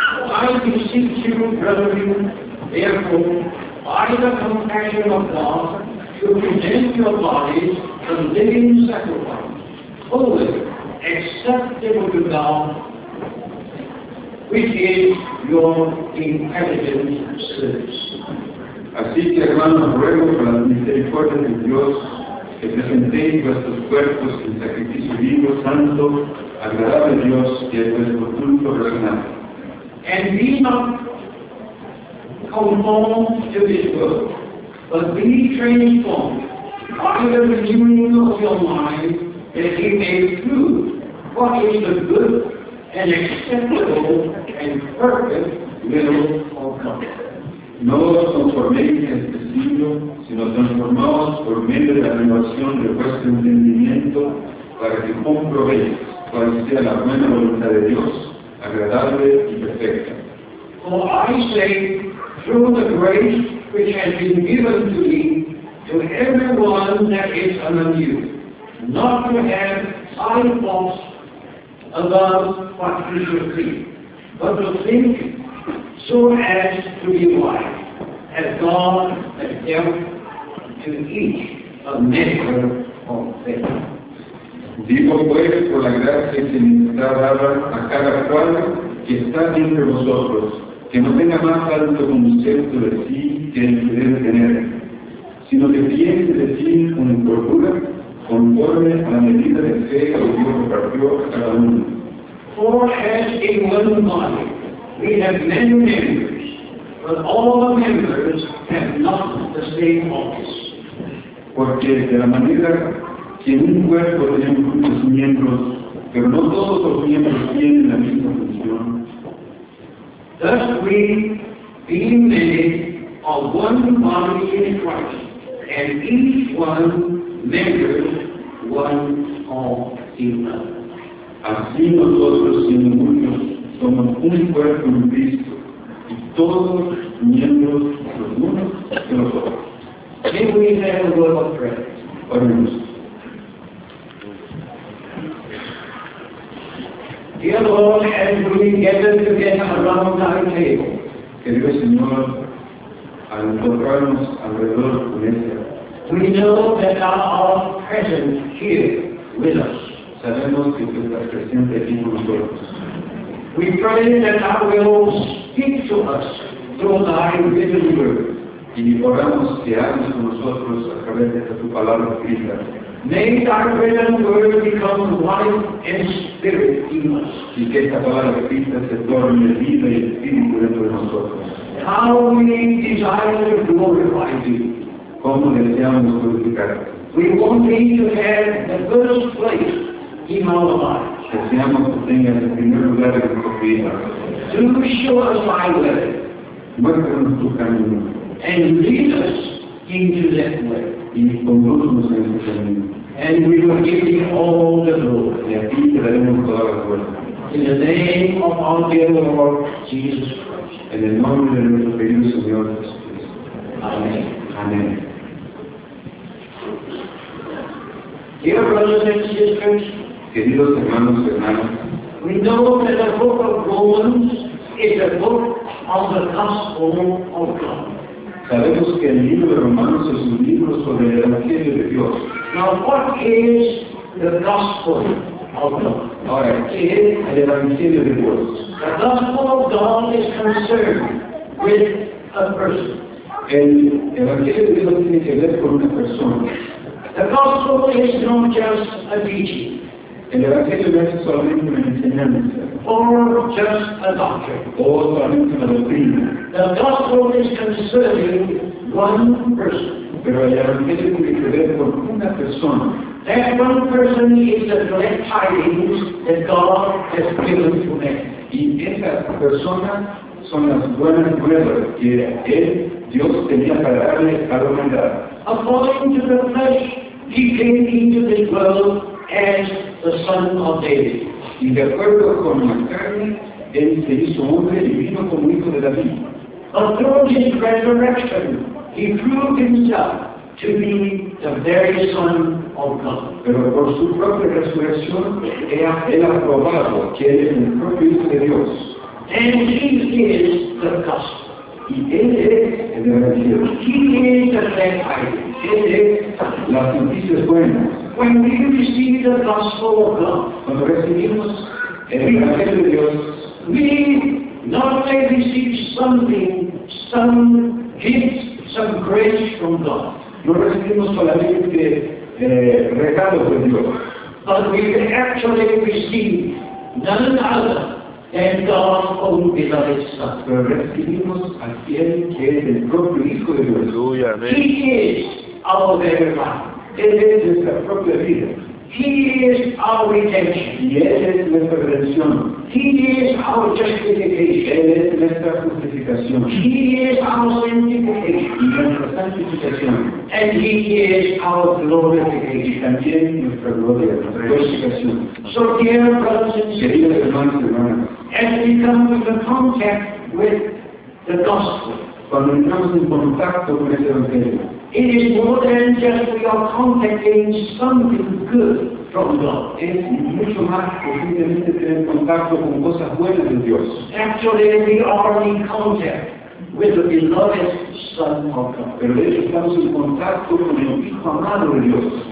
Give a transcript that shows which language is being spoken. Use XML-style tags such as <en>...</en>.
<en>I beseech you, brethren, therefore, by the compassion of God, to present your bodies a living sacrifice, holy, acceptable to God, which is your intelligent service.</en> <es>Así que hermanos, ruego por las misericordias de Dios que presentéis vuestros cuerpos en sacrificio vivo, santo, agradable a Dios y a vuestro culto racional.</es> <en>And be not conformed to this world, but be transformed by the renewing of your mind, that he may prove what is the good and acceptable and perfect will of God.</en> <es>No os conforméis a este siglo, sino transformaos por medio de la renovación de vuestro entendimiento para que comprobéis cuál sea la buena voluntad de Dios, agradable y perfecta.</es> <en>For I say, through the grace which has been given to me, to everyone that is among you, not to have high thoughts above what you should be, but to think so as to be wise, as God has dealt to each a measure of faith.</en> <es>Digo pues por la gracia que me está dada a cada cual que está entre vosotros, que no tenga más alto concepto de sí que el que debe tener, sino que piense de sí con cordura, conforme a la medida de fe que Dios repartió a cada uno.</es> <en>For as in one body, we have many members, but all the members have not the same office.</en> <es>Porque de la manera que un cuerpo tiene muchos miembros, pero no todos los miembros tienen la misma función.</es> <en>Thus we, being made of one body in Christ, and each one member one of another.</en> <es>Así nosotros, siendo muchos, somos un cuerpo en Cristo, y todos miembros los unos de los otros.</es> <en>May we have a word of prayer.</en> <es>Oremos.</es> <en>Dear Lord, as we gather together around our table,</en> <es>querido Señor, al encontrarnos alrededor de tu mesa,</es> <en>we know that thou art present here with us.</en> <es>Sabemos que tú estás presente aquí con nosotros.</es> <en>We pray that thou wilt speak to us through thy written word.</en> <es>Y oramos que hables con nosotros a través de tu palabra escrita.</es> <en>May thy written word become life and spirit in us.</en> <es>Y que esta palabra escrita se torne vida y espíritu dentro de nosotros.</es> <en>How we desire to glorify thee.</en> <es>Cómo deseamos glorificarte.</es> <en>We want thee to have the first place in our lives.</en> <es>Deseamos que tengas el primer lugar en nuestras vidas.</es> <en>To show us thy way.</en> <es>Muéstranos tu camino.</es> <en>And lead us into that way.</en> <es>Y conduznos en ese camino.</es> <en>And we will give thee all the glory.</en> <es>Y a ti te daremos toda la gloria.</es> <en>In the name of our dear Lord Jesus Christ.</en> <es>En el nombre de nuestro querido Señor Jesucristo. Amén. Amén.</es> <en>Dear brothers and sisters,</en> <es>queridos hermanos y hermanas,</es> <en>we know that the book of Romans is a book of the gospel of God.</en> <es>Sabemos que el libro de Romanos es un libro sobre el Evangelio de Dios.</es> <en>Now, what is the gospel of God?</en> <es>Ahora, ¿qué es el Evangelio de Dios?</es> <en>The gospel of God is concerned with a person.</en> <es>El Evangelio de Dios tiene que ver con una persona.</es> <en>The gospel is not just a teaching.</en> <es>El Evangelio no es solamente una enseñanza.</es> <en>Or just a doctrine.</en> <es>O solamente una doctrina.</es> <en>The gospel is concerning one person.</en> <es>Pero el Evangelio tiene que ver con una persona.</es> <en>That one person is the glad tidings that God has given to man.</en> <es>Y esa persona son las buenas nuevas que él, Dios, tenía para darle a la humanidad.</es> <en>According to the flesh, he came into this world as the Son of David.</en> <es>Y de acuerdo con la carne, él se hizo hombre y vino como hijo de David.</es> <en>But through his resurrection, he proved himself to be the very Son of God.</en> <es>Pero por su propia resurrección, él ha probado que él es el propio Hijo de Dios.</es> <en>And he is the gospel.</en> <es>Y él es el Evangelio.</es> <en>He is the Messiah.</en> <es>Él es la noticia buena.</es> <en>When we receive the gospel of God,</en> <es>cuando recibimos el Evangelio de Dios,</es> <en>we not only receive something, some gifts, some grace from God.</en> <es>No recibimos solamente regalos de Dios.</es> <en>But we actually receive none other than God's own beloved Son.</en> <es>Pero recibimos a aquel que es el propio Hijo de Dios. Aleluya,</es> <en>amén. He is our very life.</en> <es>Él es nuestra propia vida.</es> <en>He is our redemption.</en> <es>Y Él es nuestra redención.</es> <en>He is our justification.</en> <es>Él es nuestra justificación.</es> <en>He is our sanctification.</en> <es>Y nuestra santificación.</es> <en>And He is our glorification.</en> <es>Y también nuestra gloria, nuestra glorificación.</es> <en>So dear brothers and sisters,</en> <es>queridos hermanos y hermanas,</es> <en>as we come into contact with the gospel,</en> <es>cuando entramos en contacto con el Evangelio,</es> <en>it is more than just we are contacting something good from God.</en> <es>Es mucho más posiblemente tener contacto con cosas buenas de Dios.</es> <en>Actually, we are in contact with the beloved Son of God.</en> <es>Pero de hecho estamos en contacto con el Hijo amado de Dios.</es>